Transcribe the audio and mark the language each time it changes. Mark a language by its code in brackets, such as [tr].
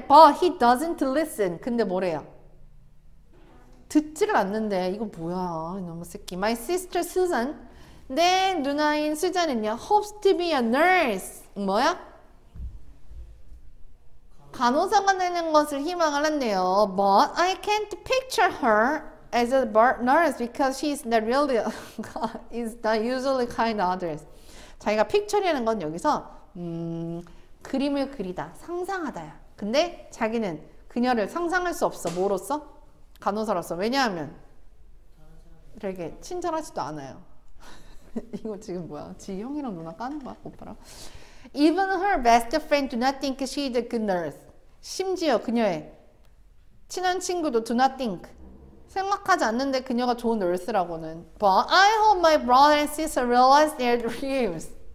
[en] But he doesn't listen. [ko] 근데 뭐래요? 듣지를 않는데. 이거 뭐야. 너무 새끼. [en] My sister Susan. [ko] 내 누나인 수잔은요. [en] Hopes to be a nurse. [ko] 뭐야? 간호사가 되는 것을 희망을 했네요. [en] But I can't picture her as a nurse because she's not really, is not usually kind of others. [ko] 자기가 picture라는 건 여기서 그림을 그리다, 상상하다야. 근데 자기는 그녀를 상상할 수 없어. 뭐로서? 간호사로서. 왜냐하면 되게 친절하지도 않아요. 이거 지금 뭐야? 지 형이랑 누나 까는 거야? 오빠랑? [en] Even her best friend do not think she's a good nurse. [ko] 심지어 그녀의 친한 친구도 [en] do not think. [ko] 생각하지 않는데 그녀가 좋은 nurse라고는. [en] But I hope my brother and sister realize their dreams.